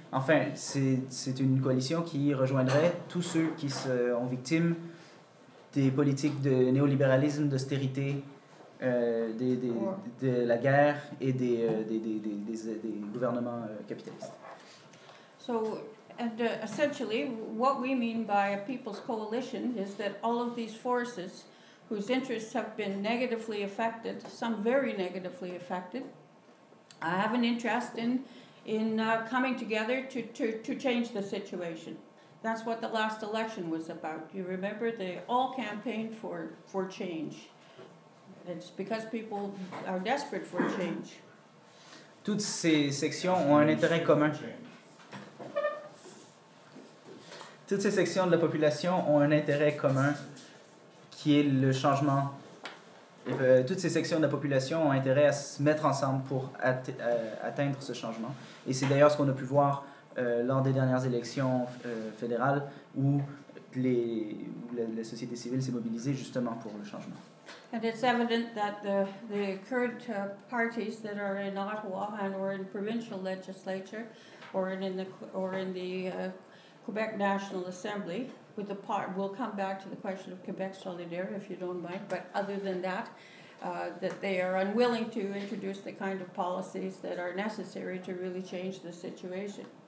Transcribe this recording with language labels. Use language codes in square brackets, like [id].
[fr] Enfin, c'est une coalition qui rejoindrait tous ceux qui sont victimes des politiques de néolibéralisme, d'austérité, de la guerre et des gouvernements capitalistes. [en] And essentially, what we mean by a people's coalition is that all of these forces whose interests have been negatively affected, some very negatively affected, have an interest in coming together to change the situation. That's what the last election was about. You remember, they all campaigned for change. It's because people are desperate for change. [fr] Toutes ces sections ont un intérêt commun. Toutes ces sections de la population ont un intérêt commun, qui est le changement. Toutes ces sections de la population ont intérêt à se mettre ensemble pour atteindre ce changement. Et c'est d'ailleurs ce qu'on a pu voir lors des dernières élections fédérales, où la société civile s'est mobilisée justement pour le changement. [en] And it's evident that the current parties that are in Ottawa and or in provincial legislature Quebec National Assembly, with the part, we'll come back to the question of Quebec Solidaire, if you don't mind, but other than that, that they are unwilling to introduce the kind of policies that are necessary to really change the situation.